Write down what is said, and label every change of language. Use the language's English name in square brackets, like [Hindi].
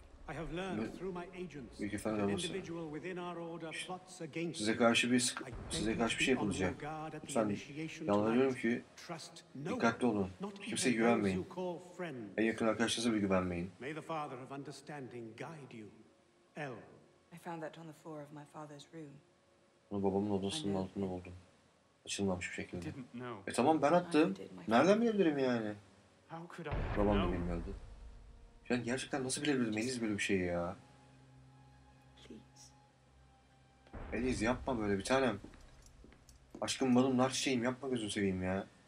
[English] I have learned through my agents that an individual within our order plots against you. [Turkish] Size karşı bir şey yapılacak. Lütfen yalvarıyorum ki dikkatli olun. Kimseye güvenmeyin. En yakın arkadaşınıza bile güvenmeyin. [English] May the father of understanding guide you. L. I found that on the floor of my father's room. [Turkish] Bunu babamın odasının altında buldum. Açılmamış bir şekilde. E tamam ben attım. Nereden bilebilirim yani? Babam da benim öldü. Ben gerçekten nasıl bilebilirim Eliz böyle bir şeyi ya? Eliz yapma böyle bir tanem. Aşkım balım nar çiçeğim yapma gözünü seveyim ya.